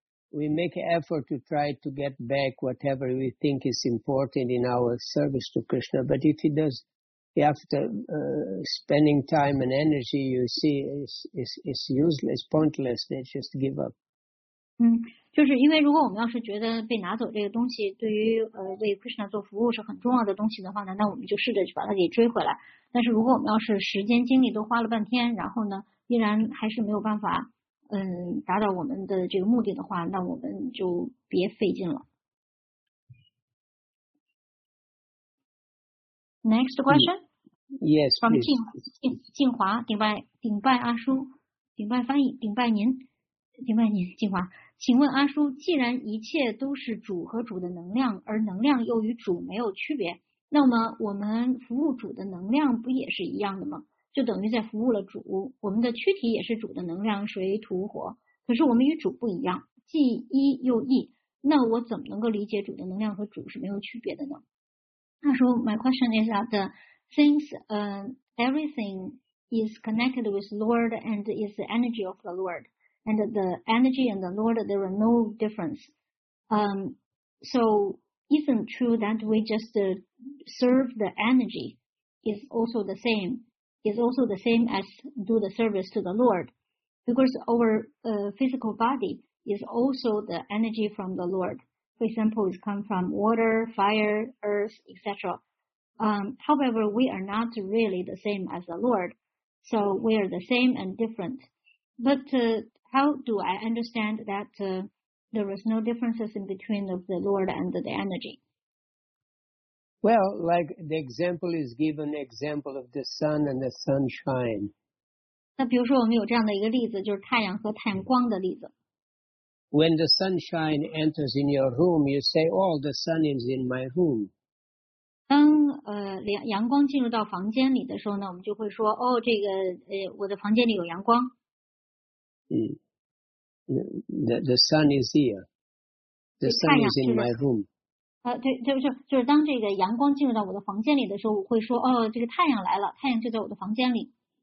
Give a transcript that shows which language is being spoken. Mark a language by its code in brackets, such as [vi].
[en] We make effort to try to get back whatever we think is important in our service to Krishna. But if it does, after spending time and energy, you see it's useless, pointless. They just give up. [zh] 就是因为如果我们要是觉得被拿走这个东西对于为 Krishna 做服务是很重要的东西的话呢，那我们就试着去把它给追回来。但是如果我们要是时间精力都花了半天，然后呢依然还是没有办法达到我们的这个目的的话，那我们就别费劲了。 [en] Next question. Yes, from [zh] 静华。顶拜阿叔，顶拜翻译，顶拜您。静华，请问阿叔，既然一切都是主和主的能量，而能量又与主没有区别，那么我们服务主的能量不也是一样的吗？就等于在服务了主，我们的躯体也是主的能量，水土火，可是我们与主不一样，既一又异，那我怎么能够理解主的能量和主是没有区别的呢？ [en] 阿叔， my question is that since everything is connected with Lord and is the energy of the Lord. And the energy and the Lord, there are no difference. So isn't true that we just serve the energy is also the same. Is also the same as do the service to the Lord. Because our physical body is also the energy from the Lord. For example, it comes from water, fire, earth, etc. However, we are not really the same as the Lord. So we are the same and different. But how do I understand that there is no differences in between of the Lord and the energy? Well, like the example is given, example of the sun and the sunshine. [zh] 那比如说我们有这样的一个例子，就是太阳和太阳光的例子。 [en] When the sunshine enters in your room, you say, "Oh, the sun is in my room." [zh] 当阳光进入到房间里的时候呢，我们就会说，哦，这个我的房间里有阳光。 [en] The sun is here. The sun is in my room. [zh] 对，就是当这个阳光进入到我的房间里的时候，我会说，哦，这个太阳来了，太阳就在我的房间里。